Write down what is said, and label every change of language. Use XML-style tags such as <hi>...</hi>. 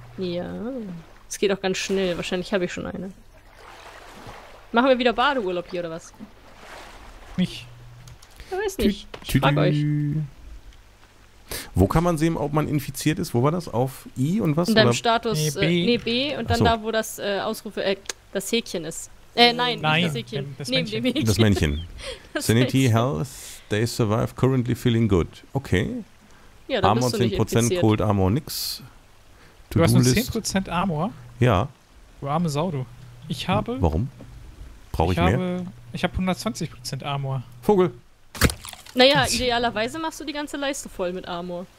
<de>Ja, es geht auch ganz schnell. Wahrscheinlich habe ich schon eine. Machen wir wieder Badeurlaub hier, oder was? Nicht. Ich weiß nicht. Ich frage euch. Wo kann man sehen, ob man infiziert ist? Wo war das? Auf I und was? In deinem Status. Nee, B. Und dann da, wo das das Häkchen ist. Nein, nicht das Häkchen. Neben dem Häkchen. Das Männchen.</de> <en>Sanity, Health, they survive, currently feeling good. Okay.</en> <de>Ja, dann Armor bist du 10%, nicht Cold Armor, nix. Du hast nur 10% Armor? Ja. Du arme Sau, du. Ich habe... Warum? Brauche ich mehr? Ich habe 120% Armor. Vogel. Naja, idealerweise machst du die ganze Leiste voll mit Armor.</de>